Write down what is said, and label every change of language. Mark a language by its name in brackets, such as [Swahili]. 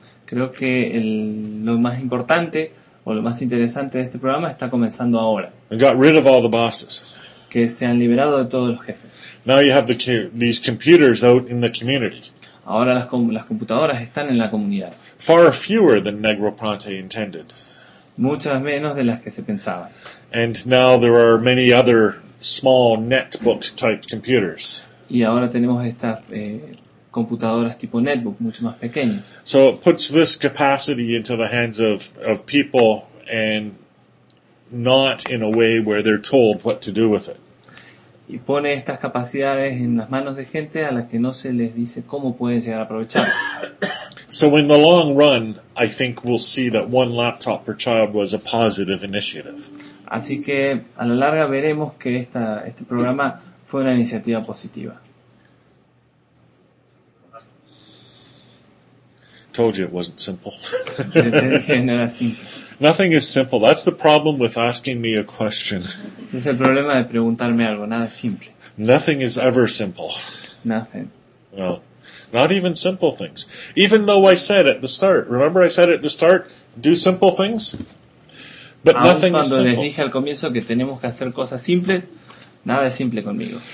[Spanish] Creo que lo más importante o lo más interesante de este programa está comenzando ahora. [English] And got rid of all the bosses. [Spanish] Que se han liberado de todos los jefes. [English] Now you have these computers out in the community. [Spanish] Ahora las computadoras están en la comunidad. [English] Far fewer than Negroponte intended. [Spanish] Muchas menos de las que se pensaban. [English] And now there are many other small netbook type computers. [Spanish] Y ahora tenemos estas computadoras tipo netbook mucho más pequeñas. [English] So it puts this capacity into the hands of people and not in a way where they're told what to do with it. [Spanish] Y pone estas capacidades en las manos de gente a las que no se les dice cómo pueden llegar a aprovechar. [English] So in the long run, I think we'll see that One Laptop Per Child was a positive initiative. [Spanish] Así que a la larga veremos que este programa fue una iniciativa positiva. [English] Told you it wasn't simple. [Spanish] No era simple. [English] Nothing is simple. That's the problem with asking me a question. [Spanish] Es el problema de preguntarme algo. Nada es simple. [English] Nothing is ever simple. Nothing. No. Not even simple things. Even though I said at the start, remember I said at the start, do simple things? But nothing is simple. [Spanish] Aun cuando les dije al comienzo que tenemos que hacer cosas simples, nada es simple conmigo.